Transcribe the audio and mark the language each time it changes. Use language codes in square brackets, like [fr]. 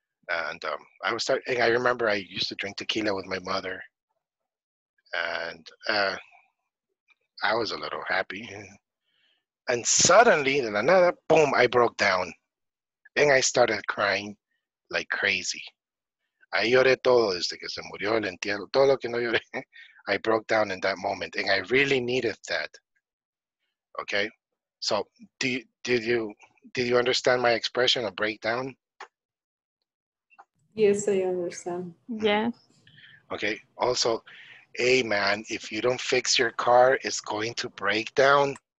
[en] And I remember I used to drink tequila with my mother. And I was a little happy. And suddenly, de la nada, boom, I broke down. And I started crying like crazy. [es] I lloré todo desde que se murió el entierro, todo lo que no lloré. [en] I broke down in that moment, and I really needed that. Okay, so did you understand my expression of breakdown? Yes, I understand. Yes. Okay. Also, hey man, if you don't fix your car, it's going to break down.